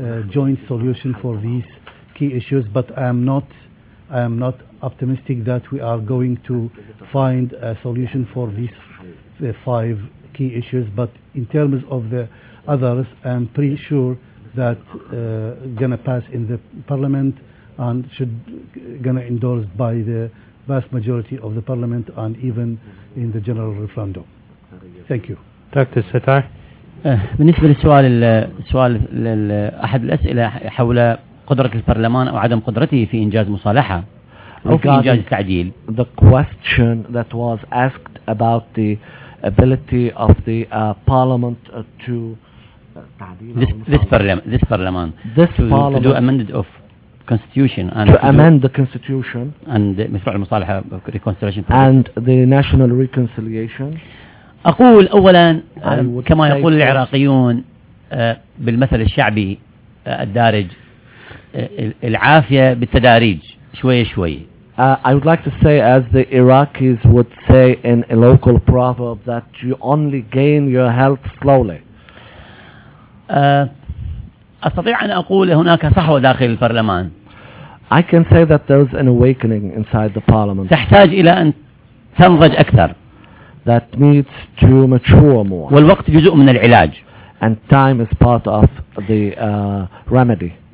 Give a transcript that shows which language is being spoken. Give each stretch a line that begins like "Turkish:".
English: joint solution for these key issues, but I am not optimistic that we are going to find a solution for these five key issues, but in terms of the others, I'm pretty sure that gonna pass in the parliament and should gonna endorsed by the vast majority of the parliament and even in the general referendum. Thank you. Dr. Sattar.
Arabic: بالنسبة للسؤال أحد الأسئلة حول قدرة البرلمان أو عدم قدرته في إنجاز مصالحة أو في إنجاز التعديل.
English: The question that was asked about the ability of the parliament to this parliament to do amended of constitution and to amend the constitution and
Arabic: مشروع المصالحة
English: reconciliation and the national reconciliation.
Arabic: أقول أولا كما يقول العراقيون بالمثل الشعبي الدارج العافية بالتدارج شوي شوي.
English: I would like to say as the Iraqis would say in a local proverb that you only gain your health slowly.
Arabic: أستطيع أن أقول هناك صحوة داخل البرلمان.
English: I can say that there is an awakening inside the parliament.
Arabic: تحتاج إلى أن تنضج أكثر.
English: That needs to mature more.
Arabic: والوقت جزء من العلاج.
English: And time is part of the remedy.